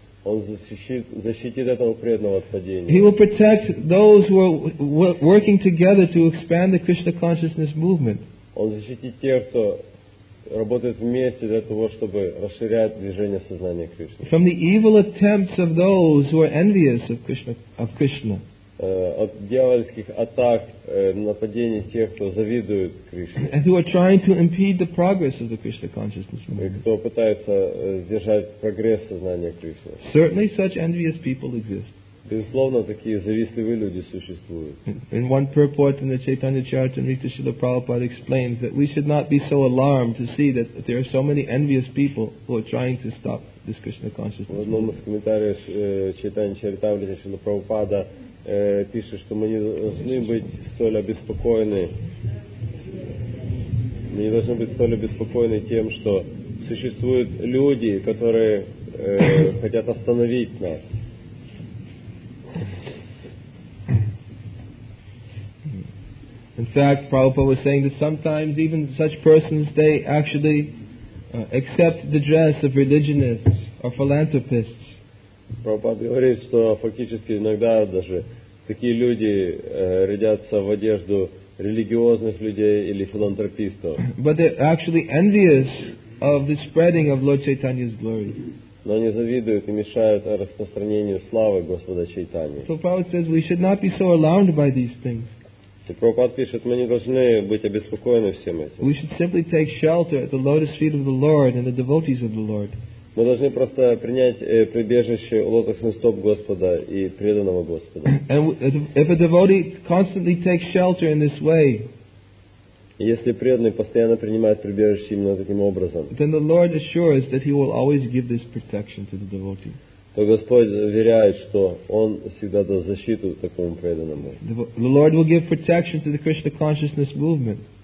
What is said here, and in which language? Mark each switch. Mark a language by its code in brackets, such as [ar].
[ru] Он защитит этого преданного от падения. [en] He will protect those who are working together to expand the Krishna consciousness movement. [ru] Он защитит тех, кто работает вместе для того, чтобы расширять движение сознания Кришны. [en] From the evil attempts of those who are envious of Krishna, [ru] От дьявольских атак, нападений тех, кто завидует Кришне. [en] And who are trying to impede the progress of the Krishna consciousness movement. [ru] И кто пытается сдержать прогресс сознания Кришны. [en] Certainly such envious people exist. [ru] Безусловно, такие завистливые люди существуют. [en] In one purport in the Chaitanya Charitamrita, Srila Prabhupada explains that we should not be so alarmed to see that there are so many envious people who are trying to stop this Krishna consciousness. [ru] В одном из комментариев Chaitanya Charitamrita, Srila Prabhupada пишет, что мы не должны быть столь обеспокоены. Мы не должны быть столь обеспокоены тем, что существуют люди, которые хотят остановить нас. [en] In fact, Prabhupada was saying that sometimes even such persons, they actually accept the dress of religionists or philanthropists. [ru] Prabhupada говорит, что фактически иногда даже такие люди рядятся в одежду религиозных людей или филантропистов. [en] But they're actually envious of the spreading of Lord Chaitanya's glory. [ru] Но они завидуют и мешают распространению славы Господа Чайтани. [en] So Prabhupada says we should not be so alarmed by these things. [ru] И Прабхупад пишет, мы не должны быть обеспокоены всем этим. [en] We should simply take shelter at the lotus feet of the Lord and the devotees of the Lord. [ru] Мы должны просто принять прибежище у лотосных стоп Господа и преданного Господа. [en] And if a devotee constantly takes shelter in this way, [ru] если преданный постоянно принимает прибежище именно таким образом, [en] then the Lord assures that he will always give this protection to the devotee. [ru] То Господь заверяет, что Он всегда даст защиту такому преданному. [en] The Lord will give protection to the Krishna consciousness movement.